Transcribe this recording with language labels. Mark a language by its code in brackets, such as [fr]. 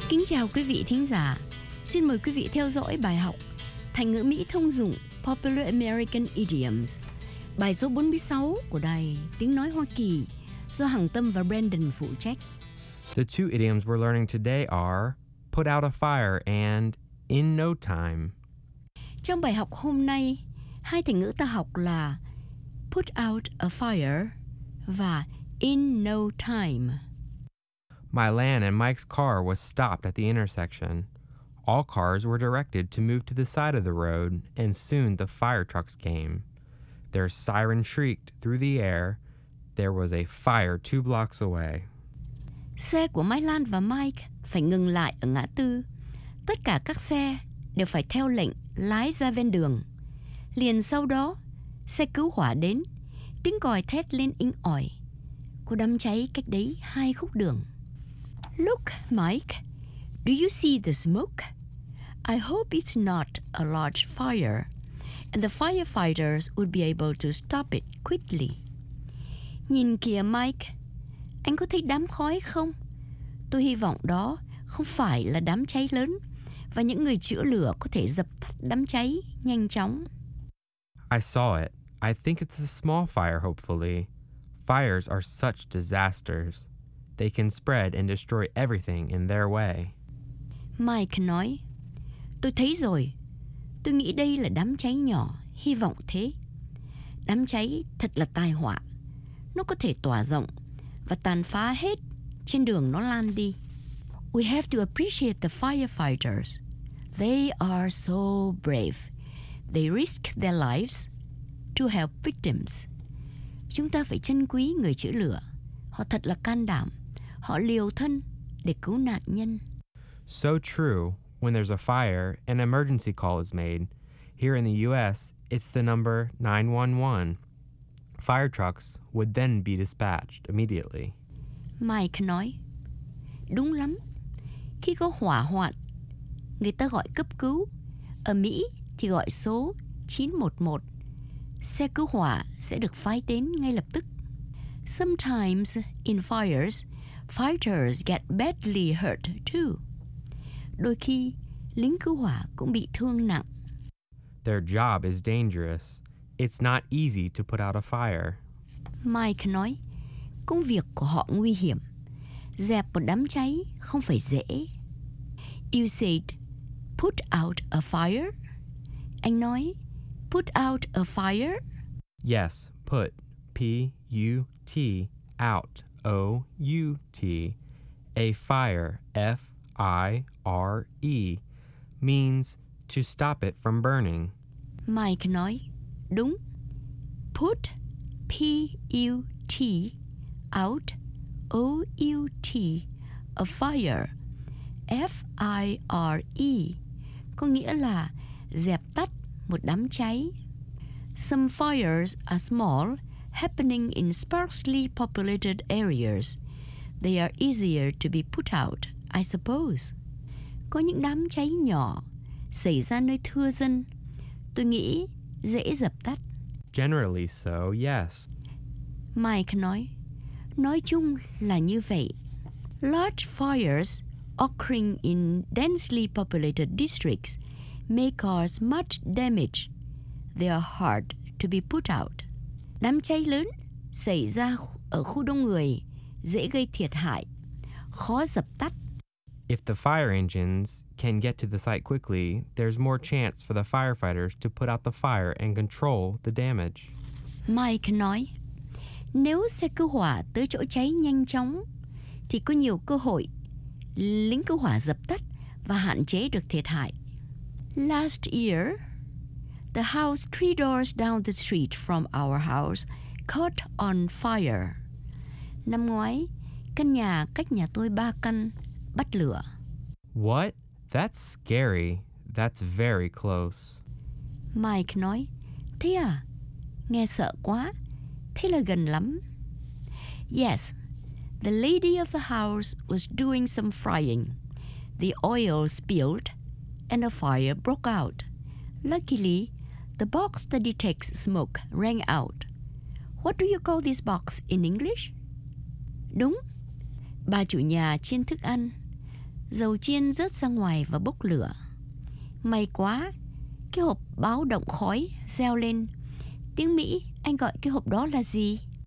[vi] Chào quý vị thính giả, Xin mời quý vị theo dõi bài học Thành ngữ Mỹ thông dụng Popular American Idioms, bài số 46 của đài Tiếng Nói Hoa Kỳ do Hằng Tâm và Brandon phụ trách. [en] The two idioms we're learning today are put out a fire and in no time. [vi] Trong bài học hôm nay, hai thành ngữ ta học là [en] put out a fire [vi] và [en] in no time. My Lan and Mike's car was stopped at the intersection. All cars were directed to move to the side of the road, and soon the fire trucks came. Their siren shrieked through the air. There was a fire two blocks away. [vi] Xe của Mai Lan và Mike phải ngừng lại ở ngã tư. Tất cả các xe đều phải theo lệnh lái ra ven đường. Liền sau đó, xe cứu hỏa đến, tiếng còi thét lên inh ỏi. Có đám cháy cách đấy hai khúc đường. [en] Look, Mike, do you see the smoke? I hope it's not a large fire, and the firefighters would be able to stop it quickly. [vi] Nhìn kìa, Mike, anh có thấy đám khói không? Tôi hy vọng đó không phải là đám cháy lớn, và những người chữa lửa có thể dập tắt đám cháy nhanh chóng. [en] I saw it. I think it's a small fire, hopefully. Fires are such disasters. They can spread and destroy everything in their way. [vi] Mike nói, tôi thấy rồi. Tôi nghĩ đây là đám cháy nhỏ, hy vọng thế. Đám cháy thật là tai họa. Nó có thể tỏa rộng và tàn phá hết trên đường nó lan đi. [en] We have to appreciate the firefighters. They are so brave. They risk their lives to help victims. [vi] Chúng ta phải trân quý người chữa lửa. Họ thật là can đảm. Họ liều thân để cứu nạn nhân. [en] So true. When there's a fire, an emergency call is made. Here in the U.S., it's the number 911. Fire trucks would then be dispatched immediately. [vi] Mike nói, đúng lắm. Khi có hỏa hoạn, người ta gọi cấp cứu. Ở Mỹ thì gọi số 911. Xe cứu hỏa sẽ được phái đến ngay lập tức. [en] Sometimes in fires, fighters get badly hurt too. [vi] Đôi khi, lính cứu hỏa cũng bị thương nặng. [en] Their job is dangerous. It's not easy to put out a fire. [vi] Mike nói, công việc của họ nguy hiểm. Dẹp một đám cháy không phải dễ. [en] You said, put out a fire? [vi] Anh nói, [en] put out a fire? Yes, put, P-U-T, out, O-U-T, a fire, F-I-R-E, means to stop it from burning. [vi] Mike nói, đúng, [en] put, P-U-T, out, O-U-T, a fire, F-I-R-E, [vi] có nghĩa là dẹp tắt một đám cháy. [en] Some fires are small, happening in sparsely populated areas. They are easier to be put out, I suppose. [vi] Có những đám cháy nhỏ xảy ra nơi thưa dân. Tôi nghĩ dễ dập tắt. [en] Generally so, yes. [vi] Mike nói, nói chung là như vậy. [en] Large fires occurring in densely populated districts may cause much damage. They are hard to be put out. [vi] Đám cháy lớn xảy ra ở khu đông người dễ gây thiệt hại, khó dập tắt. [en] If the fire engines can get to the site quickly, there's more chance for the firefighters to put out the fire and control the damage. [vi] Mike nói, nếu xe cứu hỏa tới chỗ cháy nhanh chóng, thì có nhiều cơ hội lính cứu hỏa dập tắt và hạn chế được thiệt hại. [en] Last year, the house three doors down the street from our house caught on fire. [vi] Năm ngoái, căn nhà cách nhà tôi ba căn bắt lửa. [en] What? That's scary. That's very close. [vi] Mike nói, thế à? Nghe sợ quá. Thế là gần lắm. [en] Yes, the lady of the house was doing some frying. The oil spilled and a fire broke out. Luckily, the box that detects smoke rang out. What do you call this box in English? [vi] Đúng. Bà chủ nhà chiên thức ăn. Dầu chiên rớt ra ngoài và bốc lửa. May quá, cái hộp báo động khói reo lên. Tiếng Mỹ, anh gọi cái hộp đó là gì?